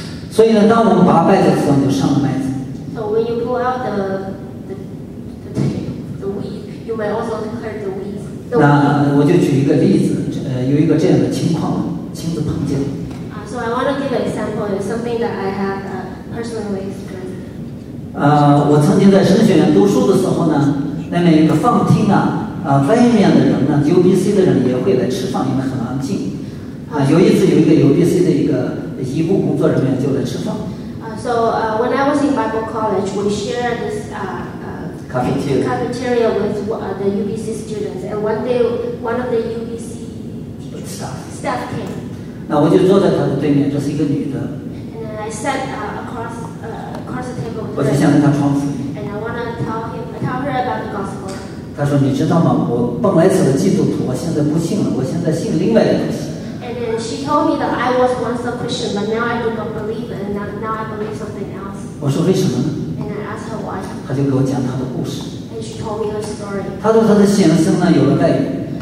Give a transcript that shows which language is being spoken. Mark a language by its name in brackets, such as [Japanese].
[Chinese] 所以呢，当我们拔麦子的时候，就伤了麦子。 [English] So when you pull out the weed, you may also hurt the weed. [Chinese] 那我就举一个例子，有一个这样的情况，亲自碰见。 [English] So I want to give an example, it's something that I have personally experienced. [Chinese] 我曾经在神学院读书的时候呢，那边有个饭厅啊，外面的人呢 ，UBC 的人也会来吃饭，因为很安静。有一次有一个 UBC 的一个医务工作人员就来吃饭。 [English] When I was in Bible College, we shared this cafeteria with the UBC students. And one day, one of the UBC staff came. [Chinese] 那我就坐在他的对面，这是一个女的。 [English] And then I sat across the table. [Chinese] 我就向着他窗户。 [English] And I want to tell her about the gospel. [Chinese] 他说：“你知道吗？我本来是个基督徒，我现在不信了，我现在信另外一个东西。” [English] And then she told me that I was once a Christian, but now I do not believe, and now I believe something else. [Chinese] 我说为什么呢？他就给我讲他的故事。 [English] And she told me her story. [Chinese] 他说他的先生呢有了外遇。